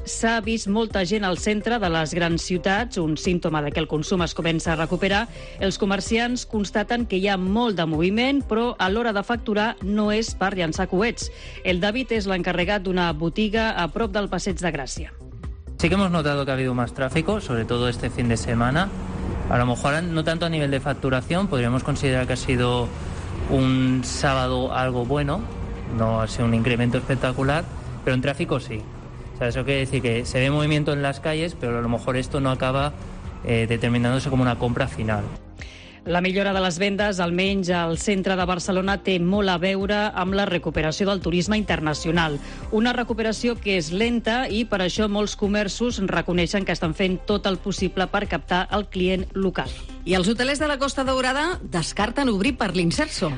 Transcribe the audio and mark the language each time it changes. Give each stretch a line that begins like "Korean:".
Catalan: S'ha vist molta gent al centre de les grans ciutats, un símptoma que el consum es comença a recuperar. Els comerciants constaten que hi ha molt de moviment, però a l'hora de facturar no és per llançar coets. El David és l'encarregat d'una botiga a prop del Passeig de Gràcia.
Spanish: Sí que hemos notado que ha habido más tráfico, sobre todo este fin de semana. A lo mejor no tanto a nivel de facturación, podríamos considerar que ha sido un sábado algo bueno, no ha sido un incremento espectacular, pero en tráfico sí. O sea, eso quiere decir que se ve movimiento en las calles, pero a lo mejor esto no acaba determinándose como una compra final.
Catalan: La millora de les vendes, almenys al centre de Barcelona, té molt a veure amb la recuperació del turisme internacional. Una recuperació que és lenta i per això molts comerços reconeixen que estan fent tot el possible per captar el client local. I els hotelers de la Costa Daurada descarten obrir per l'Imserso.